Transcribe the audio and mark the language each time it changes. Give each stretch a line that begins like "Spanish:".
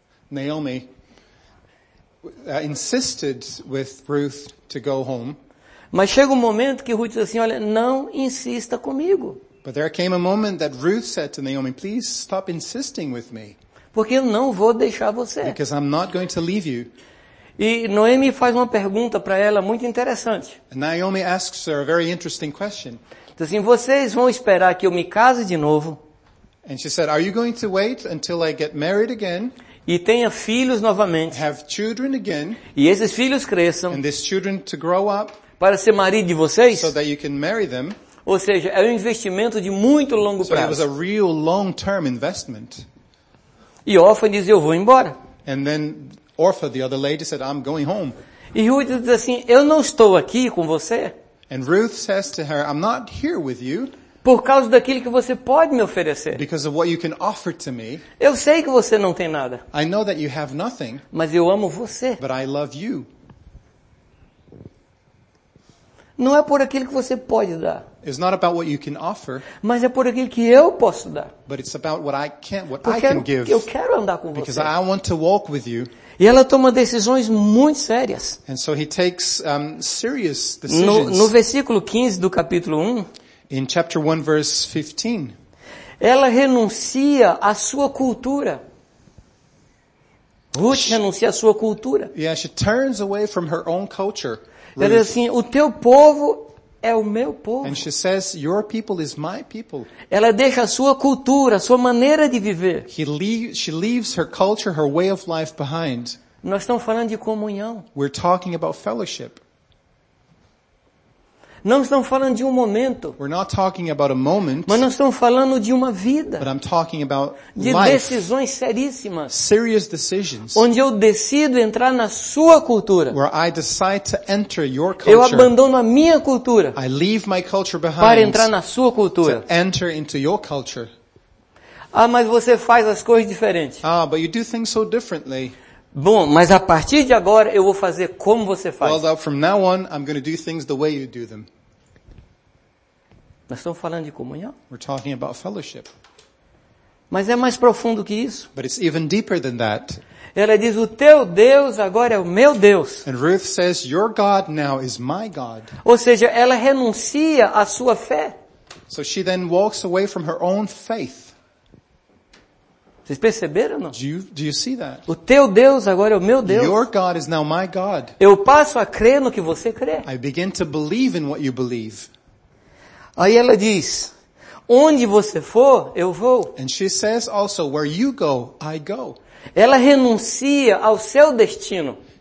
English: Naomi insisted with Ruth to go home.
Portuguese: Mas chega um momento que Ruth diz assim: olha, não insista comigo.
English: But there came a moment that Ruth said to Naomi, please stop insisting with me.
Portuguese: Porque eu não vou deixar você.
English: Because I'm not going to leave you.
Portuguese: E Noemi faz uma pergunta para ela muito interessante.
English: Naomi asks her a very interesting question.
Portuguese: Diz assim, vocês vão esperar que eu me case de novo?
English: And she said, are you going to wait until I get married again?
Portuguese: E tenha filhos novamente.
English: Have children again.
Portuguese: E esses filhos cresçam.
English: And these children to grow up.
Portuguese: Para ser marido de vocês?
English: So that you can marry them.
Portuguese: Ou seja, é um investimento de muito longo prazo.
English: So it was a real long-term investment.
Portuguese: E Orfa diz, eu vou embora.
English: And then Orpha, the other lady, said, I'm going home.
Portuguese: E Ruth diz assim, eu não estou aqui com você.
English: And Ruth says to her, I'm not here with you.
Portuguese: Por causa daquilo que você pode me oferecer.
English: Because of what you can offer to me.
Portuguese: Eu sei que você não tem nada.
English: I know that you have nothing.
Portuguese: Mas eu amo você.
English: But I love you.
Portuguese: Não é por aquilo que você pode dar.
English: It's not about what you can offer.
Portuguese: Mas é por aquilo que eu posso dar.
English: But it's about what I can, what I can give.
Portuguese: Eu quero andar com você.
English: Because I want to walk with you.
Portuguese: E ela toma decisões muito sérias.
English: And so he takes serious decisions.
Portuguese: No versículo 15 do capítulo 1.
English: In chapter 1 verse 15.
Portuguese: Ela renuncia à sua cultura. Ruth renuncia à sua cultura.
English: Yeah, she turns away from her own culture.
Portuguese: Ela diz assim, o teu povo é o meu povo.
English: And she says, your people is my people.
Portuguese: Ela deixa a sua cultura, a sua maneira de viver.
English: She leaves her culture, her way of life behind.
Portuguese: Nós estamos falando de comunhão.
English: We're talking about fellowship.
Portuguese: Não estamos falando de um momento.
English: We're not talking about a moment.
Portuguese: Mas nós estamos falando de uma vida.
English: But I'm talking about
Portuguese: de
English: life.
Portuguese: De decisões seríssimas.
English: Serious decisions.
Portuguese: Onde eu decido entrar na sua cultura.
English: Where I decide to enter your culture.
Portuguese: Eu abandono a minha cultura.
English: I leave my culture behind.
Portuguese: Para entrar na sua cultura.
English: To enter into your culture.
Portuguese: Ah, mas você faz as coisas diferentes.
English: Ah, but you do things so differently.
Portuguese: Bom, mas a partir de agora eu vou fazer como você faz.
English: Well, from now on, I'm going to do things the way you do them.
Portuguese: Nós estamos falando de comunhão.
English: We're talking about fellowship.
Portuguese: Mas é mais profundo que isso.
English: But it's even deeper than that.
Portuguese: Ela diz, o teu Deus agora é o meu Deus.
English: And Ruth says, your God now is my God.
Portuguese: Ou seja, ela renuncia à sua fé.
English: So she then walks away from her own faith.
Portuguese: Vocês perceberam ou não?
English: Do you see that?
Portuguese: O teu Deus agora é o meu Deus.
English: Your God is now my God.
Portuguese: Eu passo a crer no que você crê.
English: I begin to believe in what you believe.
Portuguese: Aí ela diz, onde você for, eu vou.
English: And she says also, where you go, I go.
Portuguese: Ela renuncia ao seu destino.